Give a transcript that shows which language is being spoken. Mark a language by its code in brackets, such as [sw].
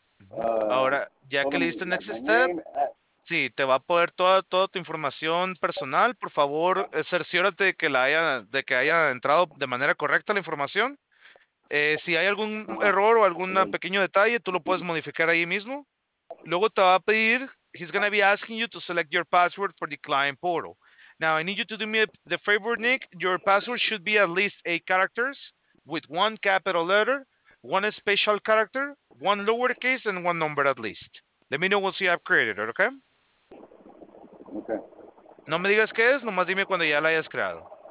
[es] Ahora, ya que le diste [en] next step... [es] Sí, te va a poder toda tu información personal. Por favor, cerciórate de que haya entrado de manera correcta la información. Si hay algún error o algún pequeño detalle, tú lo puedes modificar ahí mismo. Luego te va a pedir, [en] he's going to be asking you to select your password for the client portal. Now, I need you to do me the favor, Nick. Your password should be at least 8 characters with one capital letter, one special character, one lowercase, and one number at least. Let me know once you have created it, okay? Okay. [es] No me digas qué es, nomás dime cuando ya la hayas creado.